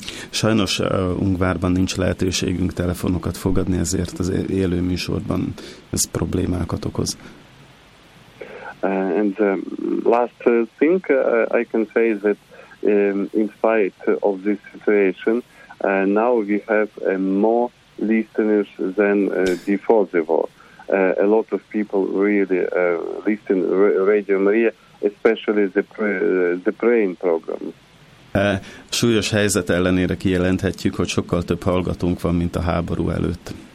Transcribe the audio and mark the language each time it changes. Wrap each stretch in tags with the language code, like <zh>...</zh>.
<hu>Sajnos Ungvárban nincs lehetőségünk telefonokat fogadni, ezért az élő műsorban ez problémákat okoz.</hu> <en>And the last thing I can say is that in spite of this situation, now we have more listeners than before the war. A lot of people really listen Radio Maria, especially the praying program.</en> <hu>Súlyos helyzet ellenére kijelenthetjük, hogy sokkal több hallgatónk van, mint a háború előtt.</hu>